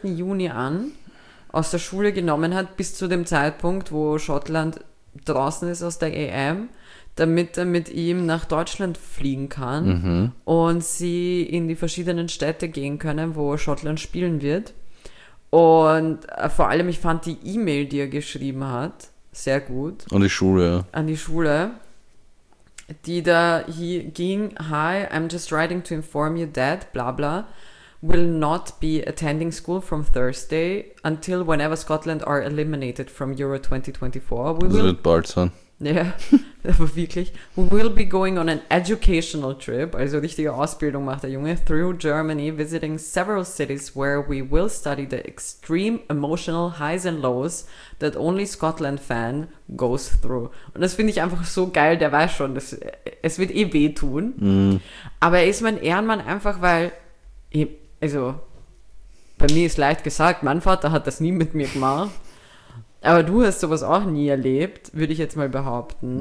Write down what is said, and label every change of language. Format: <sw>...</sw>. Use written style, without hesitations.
<de>Juni an aus der Schule genommen hat, bis zu dem Zeitpunkt, wo Schottland draußen ist aus der EM, damit er mit ihm nach Deutschland fliegen kann und sie in die verschiedenen Städte gehen können, wo Schottland spielen wird. Und vor allem, ich fand die E-Mail, die er geschrieben hat, sehr gut. An die Schule, ja. An die Schule, die da hier ging:</de> <en>Hi, I'm just writing to inform you that, bla bla, will not be attending school from Thursday until whenever Scotland are eliminated from Euro 2024.</en> <de>Das wird bald sein. Ja, aber wirklich.</de> <en>We will be going on an educational trip,</en> <de>also richtige Ausbildung macht der Junge,</de> <en>through Germany, visiting several cities where we will study the extreme emotional highs and lows that only Scotland fan goes through.</en> <de>Und das finde ich einfach so geil, der weiß schon, es wird eh wehtun. Aber er ist mein Ehrenmann einfach, weil... Also, bei mir ist leicht gesagt, mein Vater hat das nie mit mir gemacht. Aber du hast sowas auch nie erlebt, würde ich jetzt mal behaupten.</de>